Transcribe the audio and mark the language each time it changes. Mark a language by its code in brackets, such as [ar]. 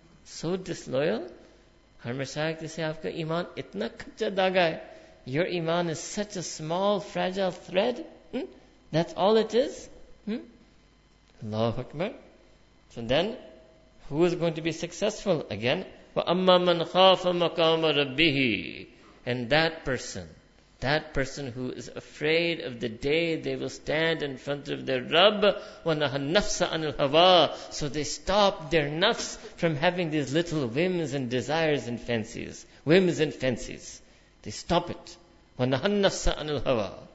[en] So disloyal. Harmer Shaykh, they say, [ur] aapka iman itna kacha daga hai. [en] Your iman is such a small, fragile thread. That's all it is. Allahu Akbar. So then, who is going to be successful? Again, [ar] وَأَمَّا مَنْ خَافَ مَقَامَ رَبِّهِ. [en] And that person, That person who is afraid of the day they will stand in front of their Rabb, [ar] وَنَهَا النَّفْسَ عَنِ الْهَوَىٰ, [en] so they stop their nafs from having these little whims and desires and fancies. Whims and fancies. They stop it. [ar] وَنَهَا النَّفْسَ عَنِ الْهَوَىٰ.